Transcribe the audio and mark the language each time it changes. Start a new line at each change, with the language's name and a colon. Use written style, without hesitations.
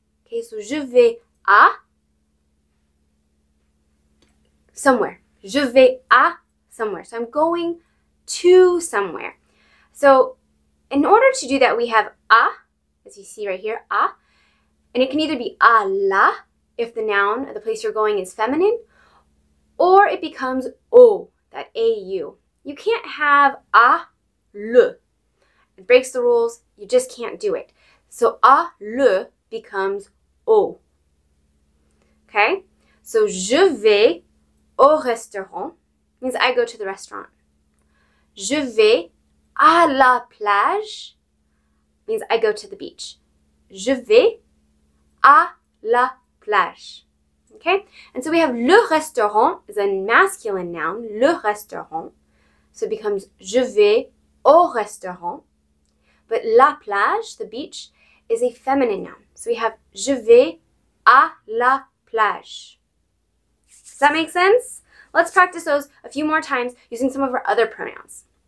English: Okay, so
French: je vais à
English: somewhere.
French: Je vais à somewhere.
English: So I'm going to somewhere. So in order to do that, we have à, as you see right here, à. And it can either be à la, if the noun, the place you're going is feminine, or it becomes au, that A-U. You can't have à le. It breaks the rules. You just can't do it. So à le becomes au. Okay? So
French: je vais au restaurant
English: means I go to the restaurant.
French: Je vais à la plage
English: means I go to the beach.
French: Je vais à la plage. Okay?
English: And so we have le restaurant is a masculine noun, le restaurant. So it becomes
French: je vais au restaurant.
English: But la plage, the beach, is a feminine noun. So we have
French: je vais à la plage.
English: Does that make sense? Let's practice those a few more times using some of our other pronouns.